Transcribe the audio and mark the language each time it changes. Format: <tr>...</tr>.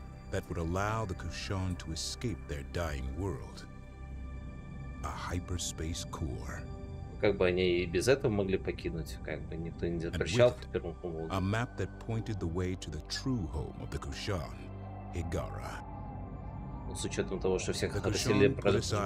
<en>that would allow the Kushan to escape their dying world. A hyperspace core.</en> <ru>Как бы они и без этого могли покинуть, как бы никто не запрещал в первом полугодии.</ru> <en>A map that pointed the way to the true home of the Kushan, Higara.</en> <ru>С учетом того, что всех хотели продать</ru>